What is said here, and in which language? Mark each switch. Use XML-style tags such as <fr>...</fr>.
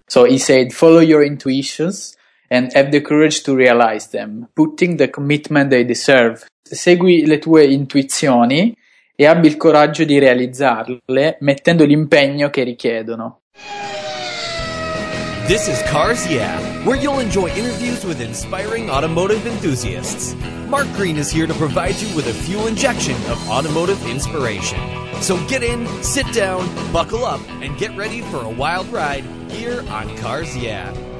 <en>So he said, follow your intuitions and have the courage to realize them, putting the commitment they deserve.</en> <it>Segui le tue intuizioni e abbi il coraggio di realizzarle mettendo l'impegno che richiedono.</it> <en>This is Cars Yeah, where you'll enjoy interviews with inspiring automotive enthusiasts. Mark Green is here to provide you with a fuel injection of automotive inspiration. So get in, sit down, buckle up, and get ready for a wild ride here on Cars Yeah.</en>